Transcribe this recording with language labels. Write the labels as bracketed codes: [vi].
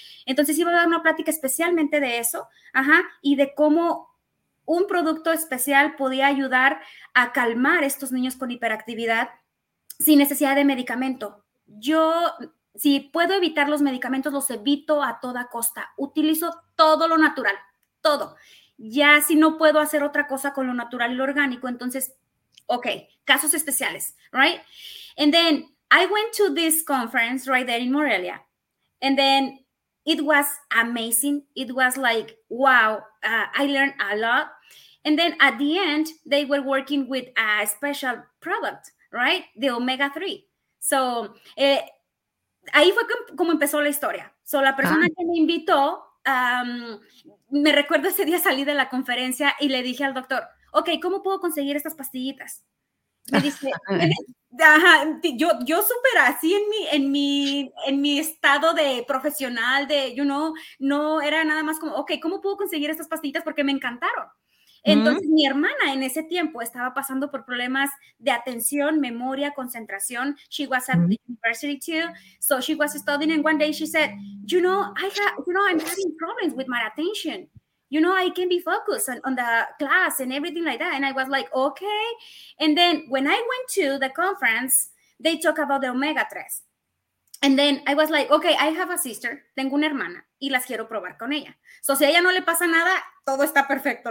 [es] Entonces iba a dar una plática especialmente de eso, ajá, y de cómo un producto especial podía ayudar a calmar estos niños con hiperactividad sin necesidad de medicamento. Si puedo evitar los medicamentos, los evito a toda costa. Utilizo todo lo natural, todo. Ya si no puedo hacer otra cosa con lo natural y lo orgánico, entonces, okay, casos especiales, right? [en] And then I went to this conference right there in Morelia. And then it was amazing. It was like, wow, I learned a lot. And then at the end, they were working with a special product, right? [es] The omega-3. So ahí fue como empezó la historia. So la persona que me invitó, me recuerdo ese día salí de la conferencia y le dije al doctor, ok, ¿cómo puedo conseguir estas pastillitas? Me dice, ajá, yo súper así en mi estado de profesional, no era nada más como, ok, ¿cómo puedo conseguir estas pastillitas? Porque me encantaron. Entonces, mi hermana en ese tiempo estaba pasando por problemas de atención, memoria, concentración. [en] She was at the university too. So she was studying and one day she said, I'm having problems with my attention. You know, I can be focused on the class and everything like that. And I was like, okay. And then when I went to the conference, they talk about the omega-3. And then I was like, okay, I have a sister, [es] tengo una hermana, y las quiero probar con ella. So si a ella no le pasa nada, todo está perfecto.